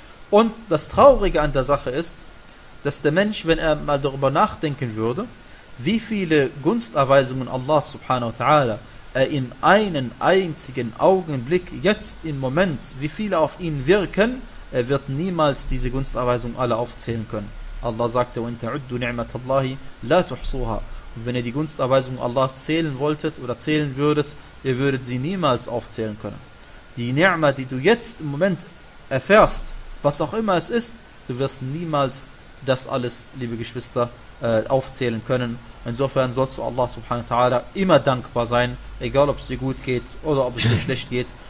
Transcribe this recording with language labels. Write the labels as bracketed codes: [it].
[de] Und das Traurige an der Sache ist, dass der Mensch, wenn er mal darüber nachdenken würde, wie viele Gunsterweisungen Allah subhanahu wa ta'ala er in einen einzigen Augenblick, jetzt im Moment, wie viele auf ihn wirken, er wird niemals diese Gunsterweisung alle aufzählen können. Allah sagte, [ar] وَإِنْ تَعُدُّ نِعْمَةَ اللَّهِ لَا تُحْصُوهَا. [de] Und wenn ihr die Gunsterweisung Allahs zählen wolltet oder zählen würdet, ihr würdet sie niemals aufzählen können. Die Ni'ma, die du jetzt im Moment erfährst, was auch immer es ist, du wirst niemals das alles, liebe Geschwister, aufzählen können. Insofern sollst du Allah subhanahu wa ta'ala immer dankbar sein, egal ob es dir gut geht oder ob es dir schlecht geht.